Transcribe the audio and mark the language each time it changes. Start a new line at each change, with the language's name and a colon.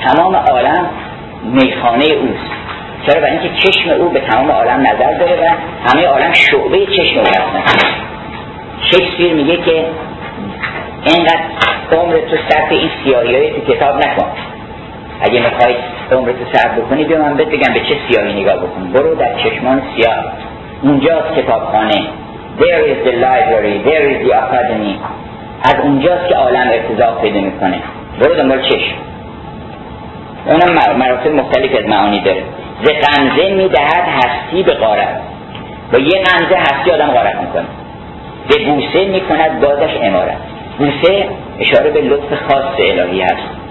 Persian: تمام عالم میخانه اوست. چرا؟ برای اینکه چشم او به تمام عالم نظر داره و همه عالم شعبه چشم او هستن. شکسپیر میگه که اینقدر عمرتو صرف این سیاهی های تو کتاب نکن. اگه میخوای عمرتو صرف بکنی بیا من بگم به چه سیاهی نگاه بکن. برو در چشمان سیاه، اونجاست کتابخانه.
English: There is the library, there is the academy.
Persian: از اونجاست که عالم ارتضاق پیدا میکنه. برو دنبال چشم. اون مراتب مختلف از معانی داره. ز غمزه میدهد هستی به غارت، با یه غمزه هستی آدم غارت میکنه. به بوسه میکند بازش امارت. بوسه اشاره به لطف خاص الهی هست.